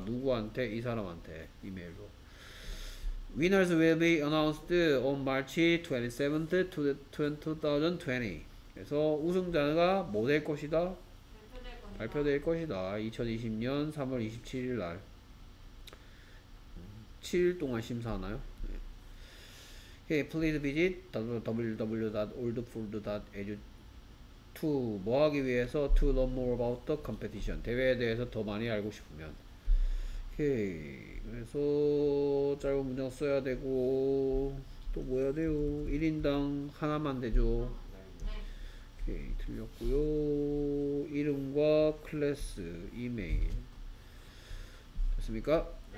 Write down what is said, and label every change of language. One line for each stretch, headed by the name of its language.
Korean: 누구한테? 이 사람한테 이메일로.
English: Winners will be announced on March 27th 2020.
Korean: 그래서 우승자가 뭐 될 것이다? 발표될 것이다. 2020년 3월 27일 날 7일 동안 심사하나요? 네.
English: Okay, please visit www.oldfold.edu to
Korean: 뭐 하기 위해서
English: to learn more about the competition.
Korean: 대회에 대해서 더 많이 알고 싶으면. Okay, 그래서 짧은 문장 써야 되고 또 뭐 해야 돼요? 1인당 하나만 되죠. Okay, 틀렸고요. 이름과 클래스, 이메일. 됐습니까?